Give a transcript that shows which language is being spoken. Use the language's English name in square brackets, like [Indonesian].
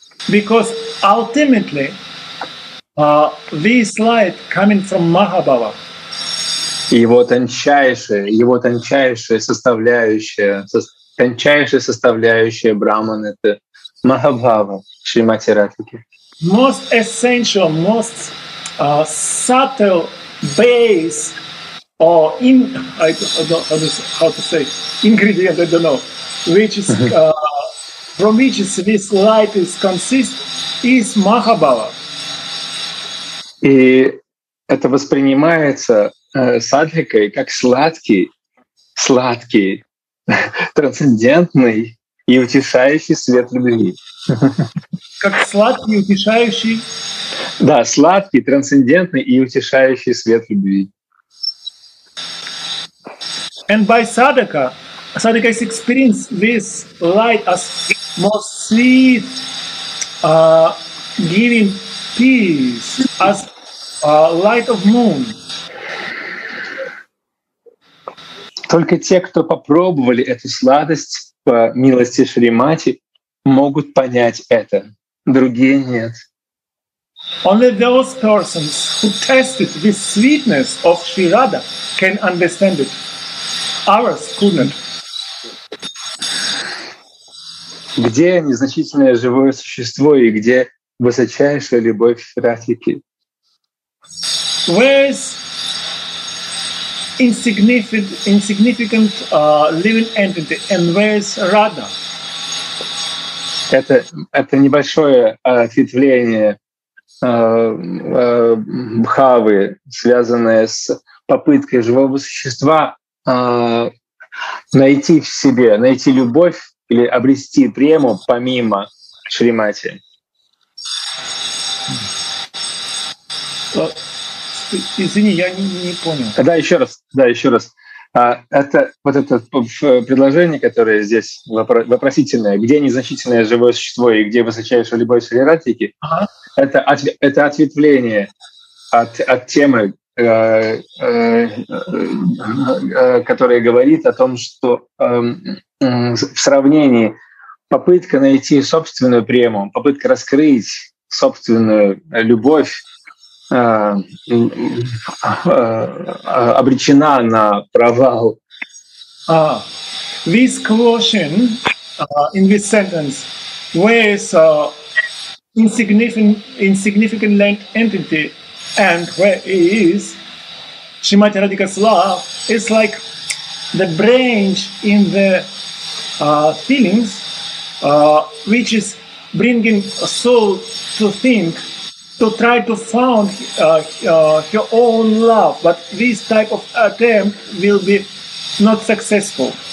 [English] Because ultimately, this light coming from Mahabhava. [Russian] Его тончайшая составляющая, тончайшая составляющая Брахман — это Махабхава, Шримати Радхики. [English] Most essential, most subtle base or in, I don't know how to say, ingredient, I don't know, which is from which is this light is consist is Mahabhava. [Russian] И это воспринимается садхикой как сладкий, трансцендентный и утешающий свет любви. Как сладкий, утешающий? Да, сладкий, трансцендентный и утешающий свет любви. [English] And by sadhaka, sadhaka has experienced this light as most sweet, giving peace, as light of moon. [Russian] Только те, кто попробовали эту сладость по милости Шримати, могут понять это. Другие нет. [English] Only those persons who tasted the sweetness of Sri Radha can understand it. Others couldn't. [Russian] Где незначительное живое существо и где высочайшая любовь Радхики? [English] Where is insignificant living entity and where is Radha? [Russian] Это небольшое ответвление бхавы, связанное с попыткой живого существа найти в себе, найти любовь или обрести прему помимо Шримати. Извини, я не понял. Да, еще раз. Это вот это предложение, которое здесь вопросительное, где незначительное живое существо и где высочайшая любовь Шри Радхики, это ответвление от темы, которая говорит о том, что в сравнении попытка найти собственную прему, попытка раскрыть собственную любовь, обречена на провал. [English] This question in this sentence, where is insignificant land entity and where is Shrimati Radhika's love, is like the branch in the feelings which is bringing a soul to think, to try to found your own love, but this type of attempt will be not successful.